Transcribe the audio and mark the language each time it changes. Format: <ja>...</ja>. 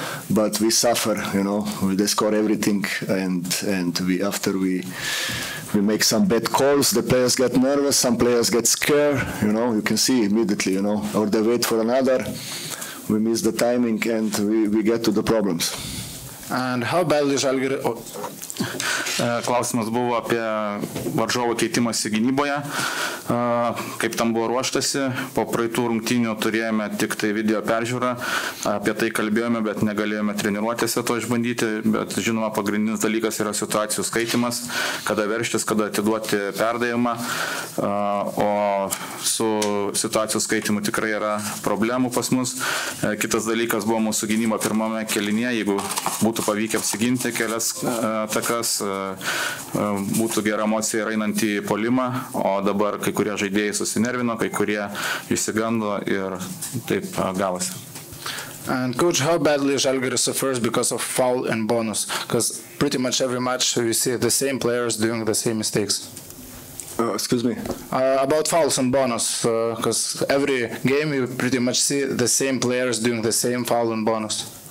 <en>But we suffer, you know, they score everything, and we make some bad calls, the players get nervous, some players get scared, you know, you can see immediately, you know, or they wait for another, we miss the timing, and we get to the problems. And how badly Žalgiris...</en> <lt>Klausimas buvo apie varžovų keitimąsi gynyboje, kaip tam buvo ruoštasi. Po praeitų rungtynių turėjome tik tai video peržiūrą, apie tai kalbėjome, bet negalėjome treniruotėse to išbandyti. Bet žinoma, pagrindinis dalykas yra situacijų skaitimas, kada verštis, kada atiduoti perdavimą. O su situacijų skaitimu tikrai yra problemų pas mus. Kitas dalykas buvo mūsų gynyba pirmame kelinėje, jeigu būtų pavykę apsiginti kelias atakas, būtų gera emocija ir einant į polimą, o dabar kai kurie žaidėjai susinervino, kai kurie išsigando ir taip gavosi.</lt> <en>And coach, how badly Žalgiris suffers because of foul and bonus? Because pretty much every match we see the same players doing the same mistakes. Excuse me. About fouls and bonus, because every game you pretty much see the same players doing the same foul and bonus.</en>